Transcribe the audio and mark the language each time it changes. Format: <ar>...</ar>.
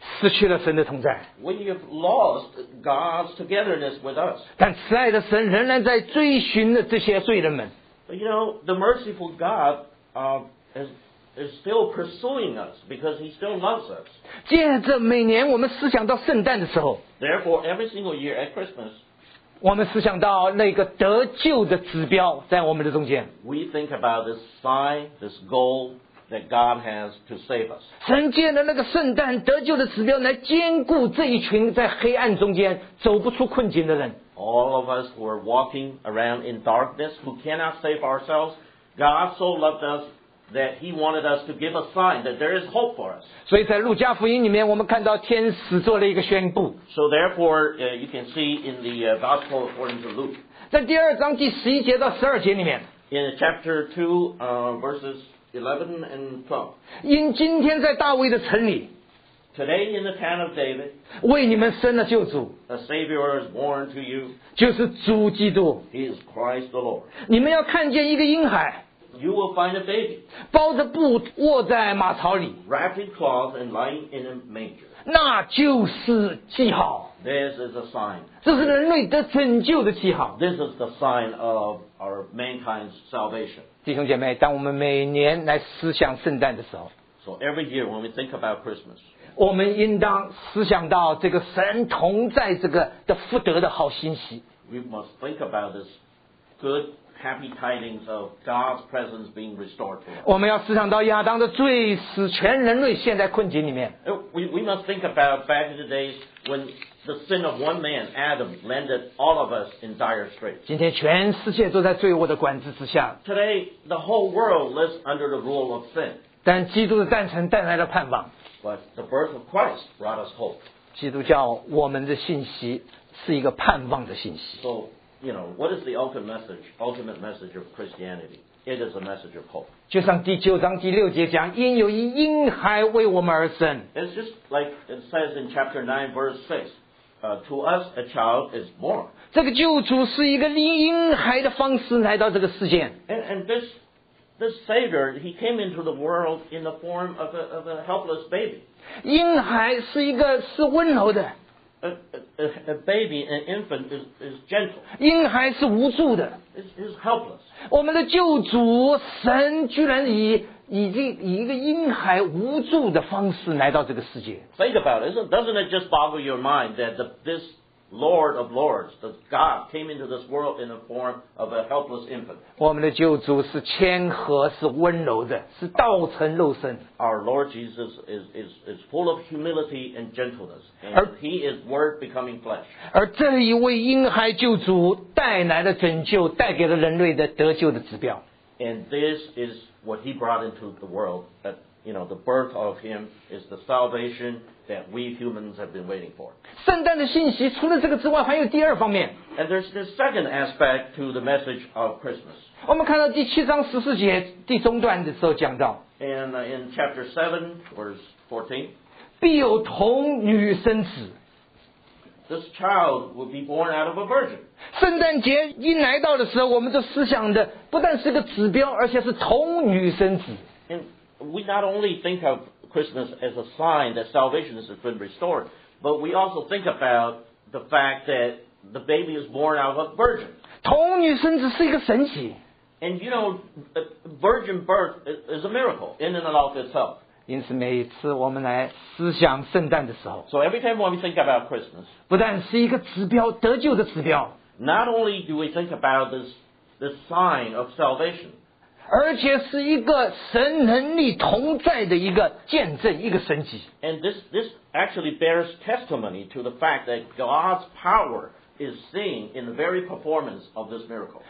<zh>失去了神的同在。</zh> <en>We have lost God's togetherness with us.</en> <zh>但慈爱的神仍然在追寻着这些罪人们。</zh> <en>But the merciful God has is still pursuing us because he still loves us.</en> <zh>借着每年我们思想到圣诞的时候，</zh> <en>therefore every single year at Christmas,</en> <zh>我们思想到那个得救的指标在我们的中间。</zh> <en>We think about this sign, this goal that God has to save us.</en> <zh>神借着那个圣诞得救的指标来坚固这一群在黑暗中间走不出困境的人。</zh> <en>All of us who are walking around in darkness, who cannot save ourselves, God so loved us that He wanted us to give a sign that there is hope for us.</en> <zh>所以在路加福音里面，我们看到天使做了一个宣布。</zh> <en>So therefore, you can see in the Gospel according to Luke.</en> <zh>在第二章第十一节到十二节里面。</zh> <en>In chapter 2, verses 11 and 12.</en> <zh>因今天在大卫的城里。</zh> <en>Today in the town of David,</en> <zh>为你们生了救主</zh> <en>a Savior is born to you,</en> <zh>就是主基督</zh> <en>He is Christ the Lord.</en> <zh>你们要看见一个婴孩</zh> <en>You will find a baby,</en> <zh>包着布卧在马槽里</zh> <en>Wrapped in cloth and lying in a manger.</en> <zh>那就是记号</zh> <en>This is a sign.</en> <zh>这是人类得拯救的记号</zh> <en>This is the sign of our mankind's salvation.</en> <zh>弟兄姐妹，当我们每年来思想圣诞的时候</zh> <en>So every year when we think about Christmas,</en> <zh>我们应当思想到这个神同在这个的福德的好信息。</zh> <en>We must think about this good, happy tidings of God's presence being restored to us.</en> <zh>我们要思想到亚当的罪使全人类陷在困境里面。</zh> <en>We must think about back in the days when the sin of one man, Adam, landed all of us in dire straits.</en> <zh>今天全世界都在罪恶的管制之下。</zh> <en>Today, the whole world lives under the rule of sin.</en> <zh>但基督的诞辰带来了盼望。</zh> <en>But the birth of Christ brought us hope.</en> <zh>基督教我们的信息是一个盼望的信息。</zh> <en>So, you know, what is the ultimate message of Christianity? It is a message of hope.</en> <zh>就像第九章第六节讲，因有一婴孩为我们而生。</zh> <en>It's just like it says in chapter 9, verse 6, to us a child is born.</en> <zh>这个救主是一个婴孩的方式来到这个世界。</zh> <en>This Savior, He came into the world in the form of a helpless baby.</en> <zh>婴孩是一个是温柔的。</zh> <en>A baby, an infant, is gentle.</en> <zh>婴孩是无助的。</zh> <en>It's helpless.</en> <zh>我们的救主神居然以一个婴孩无助的方式来到这个世界。</zh> <en>Think about it. Doesn't it just boggle your mind that this Lord of Lords, that God came into this world in the form of a helpless infant.</en> <zh>我们的救主是谦和，是温柔的，是道成肉身。</zh> <en>Our Lord Jesus is full of humility and gentleness, and He is Word becoming flesh.</en> <zh>而这一位婴孩救主带来了拯救，带给了人类的得救的指标。</zh> <en>And this is what He brought into the world. That you know, the birth of Him is the salvation. That we humans have been waiting for.</en> <zh>圣诞的信息除了这个之外，还有第二方面。</zh> <en>And there's the second aspect to the message of Christmas.</en> <zh>我们看到第七章十四节第中段的时候讲到。</zh> <en>And in chapter 7, verse 14,</en> <zh>必有童女生子。</zh> <en>This child will be born out of a virgin.</en> <zh>圣诞节一来到的时候，我们就思想的不但是个指标，而且是童女生子。</zh> <en>And we not only think of Christmas as a sign that salvation has been restored. But we also think about the fact that the baby is born out of a virgin.</en> <zh>童女生子是一个神奇。</zh> <en>And you know, virgin birth is a miracle in and of itself.</en> <zh>因此每次我们来思想圣诞的时候。</zh> <en>So every time when we think about Christmas,</en> <zh>不但是一个指标，得救的指标。</zh> <en>Not only do we think about this sign of salvation,</en> <zh>而且是一个神能力同在的一个见证，一个神迹。</zh> <en>And this actually bears testimony to the fact that God's power is seen in the very performance of this miracle.</en>